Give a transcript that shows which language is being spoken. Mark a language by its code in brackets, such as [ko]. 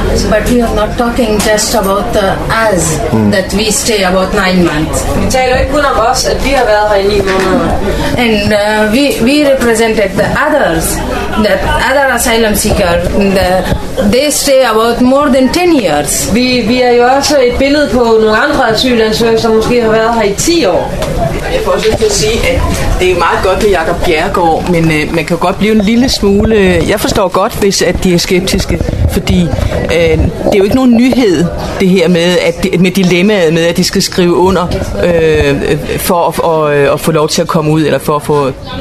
[en] But we are not talking just about the as that we stay about 9 months. [da] Vi taler ikke kun om os, at vi har været her i 9 måneder. [en] And we represented the others, that other asylum seeker, they stay about more than 10 years. [da] Vi er jo også et billede på nogle andre asylansøgere, som måske har været her i 10 år. Jeg får også lyst til at sige, at det er meget godt med Jakob Bjerregaard, men man kan godt blive en lille smule... Jeg forstår godt, hvis at de er skeptiske, fordi det er jo ikke nogen nyhed, det her med, at det, med dilemmaet med, at de skal skrive under for at få lov til at komme ud, eller for at få...